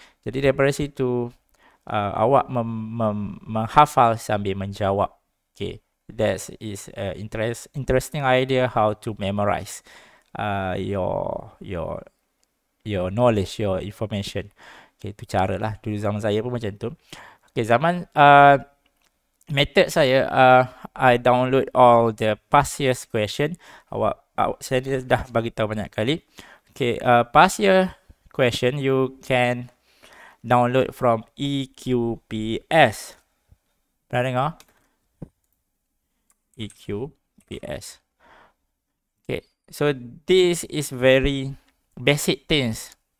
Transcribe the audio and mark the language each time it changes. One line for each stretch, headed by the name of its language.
Malay: Jadi daripada situ awak menghafal sambil menjawab.
English: Okay, that is interesting idea how to memorize your knowledge, your information. Okay,
Malay: tu cara lah. Dulu zaman saya pun macam tu. Okay, zaman method saya,
English: I download all the past year's question.
Malay: Saya dah bagi tahu banyak kali.
English: Okay, past year question you can download from EQPS.
Malay: Pernah dengar?
English: EQPS. Okay, so this is very basic things.